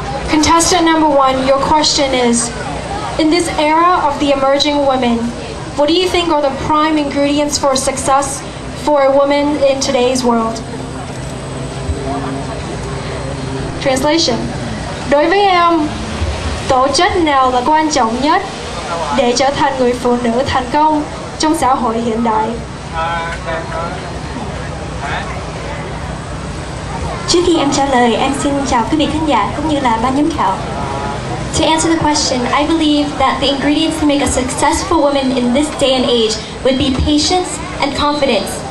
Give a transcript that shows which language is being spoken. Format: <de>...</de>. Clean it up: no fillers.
<en>Contestant number 1, your question is, in this era of the emerging women, what do you think are the prime ingredients for success for a woman in today's world? Translation.</en> <vi>Đối với em, tố chất nào là quan trọng nhất để trở thành người phụ nữ thành công trong xã hội hiện đại? Trước khi em trả lời, em xin chào quý vị khán giả cũng như là ban giám khảo.</vi> <en>To answer the question, I believe that the ingredients to make a successful woman in this day and age would be patience and confidence.</en>